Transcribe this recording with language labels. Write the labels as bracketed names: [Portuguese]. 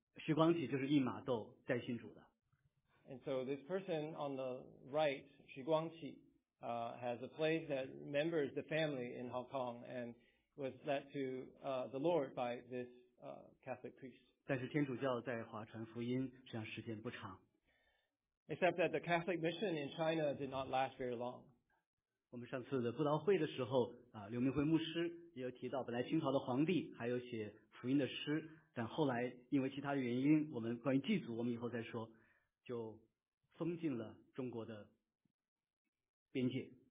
[Chinese] 徐光启就是利玛窦在信主的。 [English] And so this person on the right, 徐光启, has a place that remembers the family in Hong Kong and was led to the Lord by this Catholic priest. [Chinese] 但是天主教在华传福音实际上时间不长。 [English] Except that the Catholic mission in China did not last very long. [Chinese] 我们上次的布道会的时候啊，刘明辉牧师也有提到，本来清朝的皇帝还有写福音的诗，但后来因为其他原因，我们关于祭祖我们以后再说，就封禁了中国的边界。